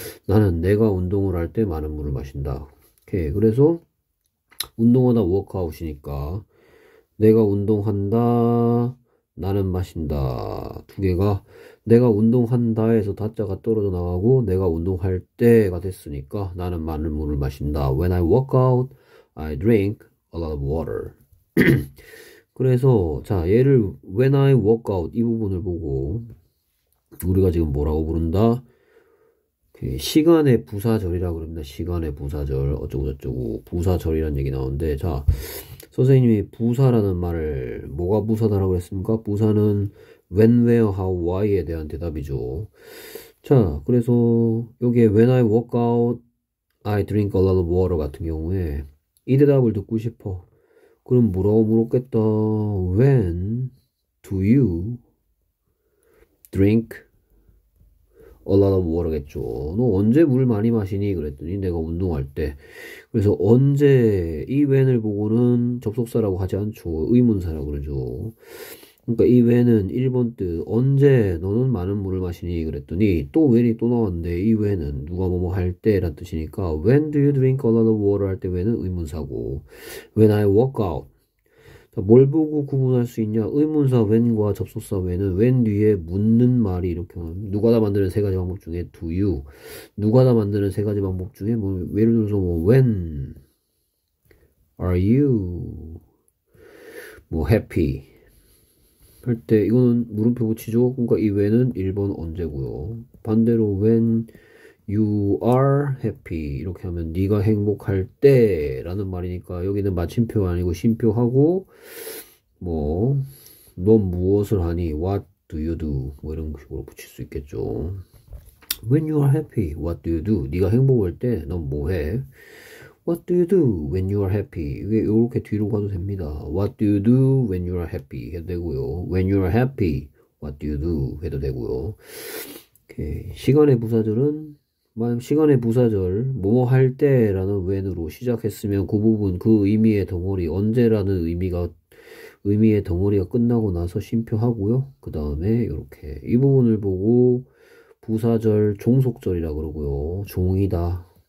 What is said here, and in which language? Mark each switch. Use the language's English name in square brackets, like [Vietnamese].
[Korean] 나는 내가 운동을 할때 많은 물을 마신다. 오케이. 그래서 운동하다 워크아웃이니까 내가 운동한다, 나는 마신다. 두 개가 내가 운동한다에서 다자가 떨어져 나가고 내가 운동할 때가 됐으니까 나는 많은 물을 마신다. [English] When I work out, I drink a lot of water. [Korean] 그래서 자, 얘를 [English] when I work out [Korean] 이 부분을 보고 우리가 지금 뭐라고 부른다? 그 시간의 부사절이라고 그럽니다. 시간의 부사절 어쩌고저쩌고 부사절이라는 얘기 나오는데, 자, 선생님이 부사라는 말을 뭐가 부사다라고 했습니까? 부사는 when, where, how, why에 대한 대답이죠. 자, 그래서 여기에 [English] when I work out, I drink a lot of water [Korean] 같은 경우에 이 대답을 듣고 싶어. 그럼 뭐라고 물었겠다. [English] When do you drink a lot of water겠죠. [Korean] 너 언제 물 많이 마시니? 그랬더니 내가 운동할 때. 그래서 언제, 이 when을 보고는 접속사라고 하지 않죠. 의문사라고 그러죠. 그러니까 이 when은 1번 뜻. 언제 너는 많은 물을 마시니? 그랬더니 또 when이 또 나왔는데, 이 when은 누가 뭐뭐 할 때란 뜻이니까 [English] when do you drink a lot of water [Korean] 할때 when은 의문사고, [English] when I walk out. [Korean] 자, 뭘 보고 구분할 수 있냐? 의문사 when과 접속사 when은 when 뒤에 묻는 말이 이렇게 누가 다 만드는 세 가지 방법 중에 do you, 누가 다 만드는 세 가지 방법 중에 뭐 예를 들어서 뭐 [English] when are you [Korean] 뭐 happy 할 때, 이거는 물음표 붙이죠? 그러니까 이 when은 1번 언제고요. 반대로 [English] when you are happy [Korean] 이렇게 하면 네가 행복할 때라는 말이니까 여기는 마침표 아니고 쉼표하고, 뭐넌 무엇을 하니? [English] What do you do? [Korean] 뭐 이런 식으로 붙일 수 있겠죠. [English] When you are happy, what do you do? [Korean] 네가 행복할 때넌뭐 해? [English] What do you do when you are happy? [Korean] 이게 이렇게 뒤로 가도 됩니다. [English] What do you do when you are happy? [Korean] 해도 되고요. [English] When you are happy, what do you do? [Korean] 해도 되고요. 이렇게 시간의 부사절은, 만약 시간의 부사절, 뭐뭐 할 때라는 when으로 시작했으면 그 부분, 그 의미의 덩어리, 언제라는 의미의 덩어리가 끝나고 나서 쉼표하고요. 그 다음에 이렇게 이 부분을 보고 부사절, 종속절이라 그러고요. 종이다.